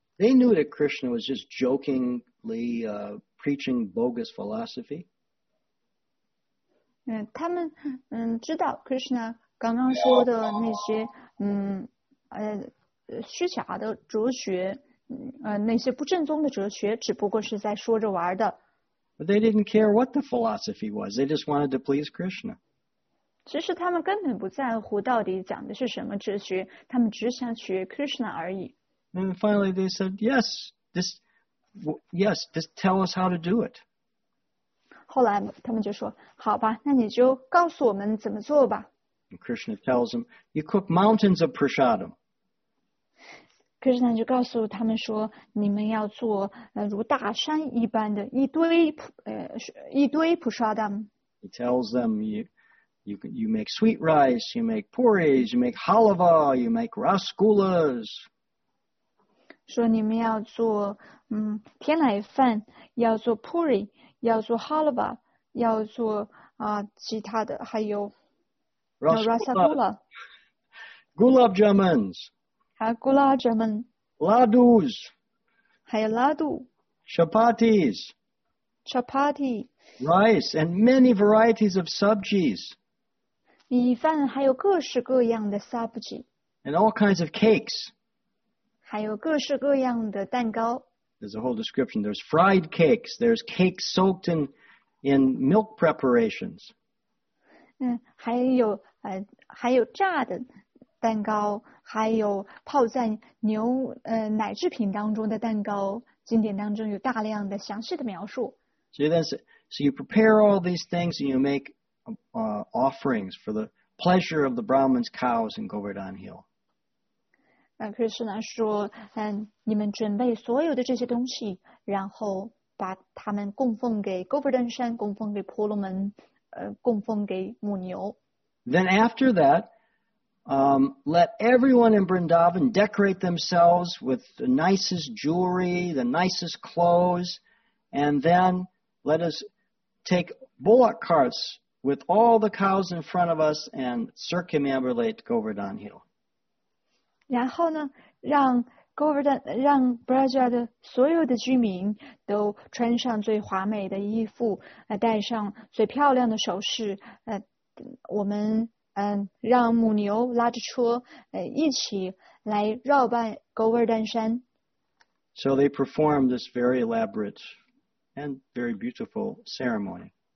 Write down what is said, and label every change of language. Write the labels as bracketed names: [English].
[English] They knew that Krishna was just joking. Preaching bogus philosophy. [Chinese] 他们知道 Krishna 刚刚说的那些虚假的哲学，那些不正宗的哲学，只不过是在说着玩的。 [English] But they didn't care what the philosophy was. They just wanted to please Krishna. [Chinese] 其实他们根本不在乎到底讲的是什么哲学，他们只想学 Krishna 而已。 [English] And finally, they said, "Yes, this." Yes, just tell us how to do it. [Chinese] 后来他们就说，好吧，那你就告诉我们怎么做吧。 [English] Krishna tells them, you cook mountains of prasadam. [Chinese] Krishna 就告诉他们说，你们要做如大山一般的一堆 Prasadam。 [English] He tells them, you make sweet rice, you make porridge, you make halva, you make rasgullas. [Chinese] 说你们要做甜奶饭，要做 porridge， 要做 halva， 要做其他的，还有 [English] rasgulla。 Gulab jamuns. [Chinese] Gulab jamun. [English] Ladus. [Chinese] Ladu. [English] Chapatis. [Chinese] Chapati. [English] Rice and many varieties of sabjis. [Chinese] 米饭还有各式各样的 sabji. [English] And all kinds of cakes. [Chinese] 还有各式各样的蛋糕。 [English] There's a whole description. There's fried cakes. There's cakes soaked in milk preparations. [Chinese] 还有炸的。蛋糕，还有泡在牛奶制品当中的蛋糕，经典当中有大量的详细的描述。 [English] So you prepare all these things and you make offerings for the pleasure of the Brahmins' cows in Govardhan Hill. [Chinese] Krishna 说，你们准备所有的这些东西，然后把它们供奉给 Govardhan 山，供奉给婆罗门，供奉给母牛。 [English] Then after that. Let everyone in Vrindavan decorate themselves with the nicest jewelry, the nicest clothes, and then let us take bullock carts with all the cows in front of us and circumambulate Govardhan Hill. [Chinese] 然后呢，让 Govardhan 让 Braja 的所有的居民都穿上最华美的衣服，戴上最漂亮的首饰，我们。让母牛拉着车，一起来绕拜 Govardhan 山。 [English] So they perform this very elaborate and very beautiful ceremony.